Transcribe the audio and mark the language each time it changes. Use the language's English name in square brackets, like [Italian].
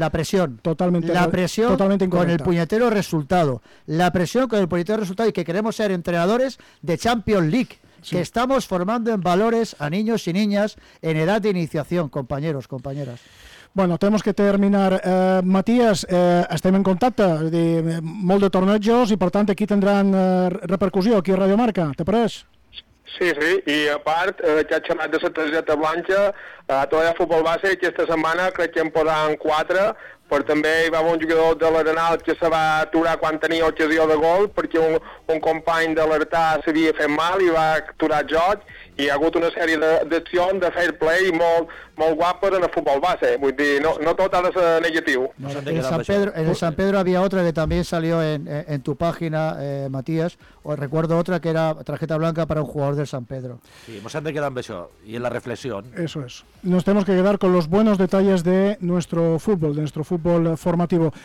[Spanish] La presión. Totalmente incorrecta. La presión totalmente con el puñetero resultado. La presión con el puñetero resultado y que queremos ser entrenadores de Champions League. Sí. Que estamos formando en valores a niños y niñas en edad de iniciación, compañeros, compañeras. Bueno, tenemos que terminar. [Catalan] Matías, estem en contacte de molt de tornejos i, per tant, aquí tindran repercussió, aquí a Radio Marca. ¿Te pareix? Sí. I, a part, ja he xerrat de la targeta blanca a tot el futbol base. Aquesta setmana crec que en posaran 4, però també hi va haver un jugador de l'Arenal que se va aturar quan tenia ocasió de gol perquè un company de l'Artà s'havia fet mal i va aturar el joc. Hi ha hagut una sèrie d'accions de fair play molt guapes en el futbol base. Vull dir, no tot ha de ser negatiu. [Spanish] En el San Pedro havia otra que també salió en tu pàgina, Matías. Recuerdo otra que era tarjeta blanca para un jugador del San Pedro. Sí, nos han de quedar en beso y en la reflexión. Eso es. Nos tenemos que quedar con los buenos detalles de nuestro fútbol, de nuestro fútbol formativo.